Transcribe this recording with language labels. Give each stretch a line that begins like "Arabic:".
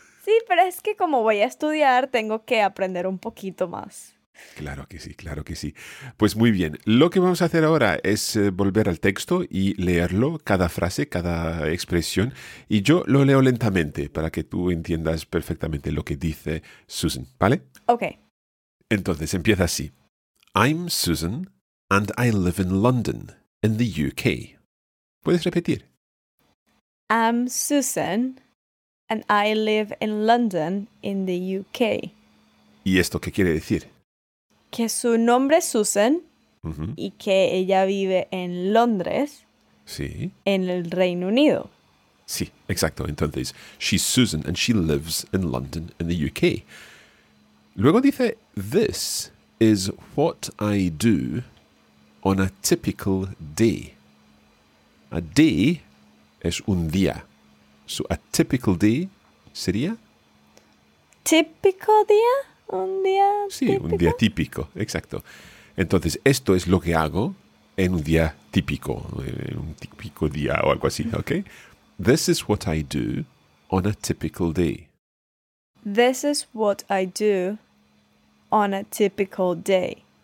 Spanish: Sí, pero es que como voy a estudiar, tengo que aprender un poquito más. Claro que sí, claro que sí. Pues muy bien, lo que vamos a hacer ahora es volver al texto y leerlo, cada frase, cada expresión, y yo lo leo lentamente para que tú entiendas perfectamente lo que dice Susan, ¿vale? Ok. Entonces, empieza así.
English: I'm Susan and I live in London, in the UK.
Spanish: ¿Puedes repetir?
English: I'm Susan and I live in London, in the UK.
Spanish: ¿Y esto qué quiere decir? Que su nombre es Susan, uh-huh, y que ella vive en Londres, sí, en el Reino Unido. Sí, exacto. Entonces,
English: she's Susan and she lives in London, in the UK.
Spanish: Luego dice,
English: this is what I do on a typical day. A day
Spanish: es un día.
English: So, a typical day
Spanish: sería? Typical día? ¿Un día típico? Sí, un día típico, exacto. Entonces, esto es lo que hago en un día típico, en un típico día o algo así, ¿ok?
English: This is what I do on a typical day. This is what I do on a typical day.